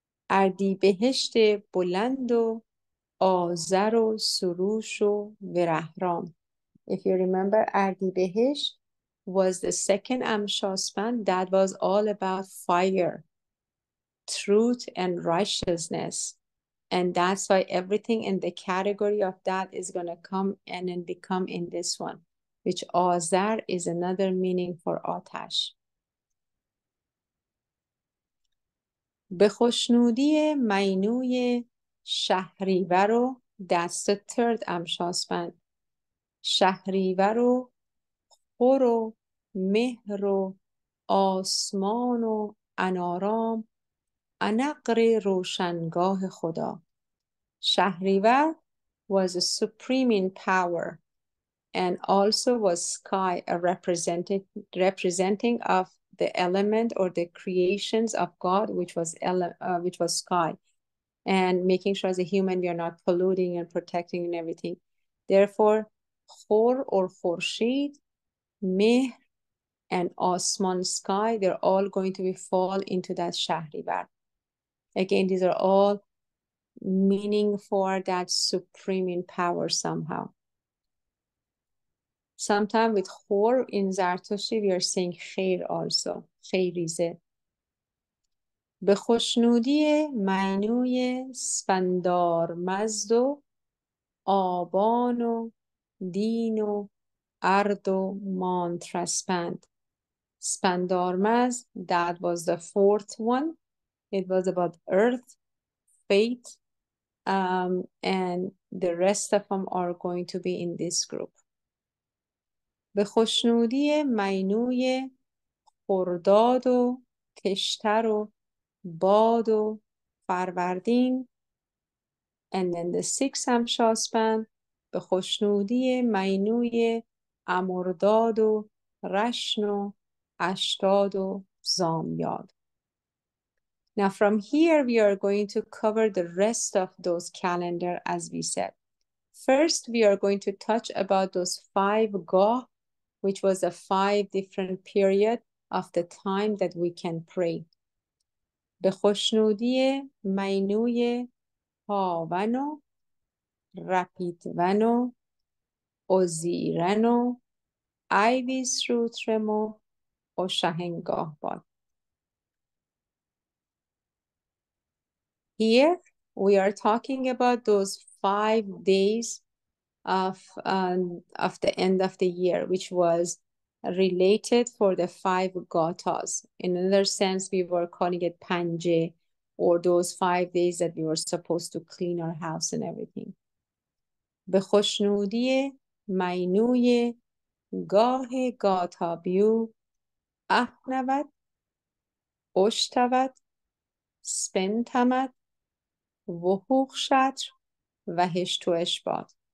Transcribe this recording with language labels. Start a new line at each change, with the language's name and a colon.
Persian: اردی بهشت بلند و آذر و سروش و ورهرام.
English: If you remember, اردی بهشت was the second امشاسپن. That was all about fire, truth and righteousness. And that's why everything in the category of that is going to come and then become in this one. Which Azar is another meaning for Atash.
Persian: Bechoshnudiye mainuye shahrivaro دست ترد امشاسپند، شهریور و خور و مهر و آسمان و انارام، انقر روشنگاه خدا.
English: شهریور was a supreme in power and also was sky, a representing of the element or the creations of God, which was sky, and making sure as a human we are not polluting and protecting and everything. Therefore, Khor or Khorshid, Meh, and Osman sky, they're all going to be fall into that Shahrivar. Again, these are all meaning for that supreme in power somehow. Sometime with Khor in Zartoshi, we are saying Khair also, Khairize.
Persian: به خوشنودی منوی سپندار مزد و آبان و دین و ارد و مانتر سپند.
English: سپندار مزد, that was the fourth one. It was about earth, fate, and the rest of them are going to be in this group.
Persian: به خوشنودی منوی خرداد و کشتر و باد و فروردین.
English: And then the sixth
Persian: امشاسپند, به خوشنودی مینوی امرداد و رشن و اشتاد و زامیاد.
English: Now from here we are going to cover the rest of those calendar as we said. First we are going to touch about those five gah, which was a five different period of the time that we can pray.
Persian: به خوشنودی مینوی هاون و رپیدون و اوزیرن و ایویس روترم و اوشهنگاه باد.
English: Here we are talking about those 5 days of the end of the year, which was related for the five gathas. In another sense, we were calling it panje, or those 5 days that we were supposed to clean our house and everything.
Persian: به خوشنودی مینوی گاه گاتابیو احنود اشتود سپنتمد وحوخ شطر و هشتوش باد.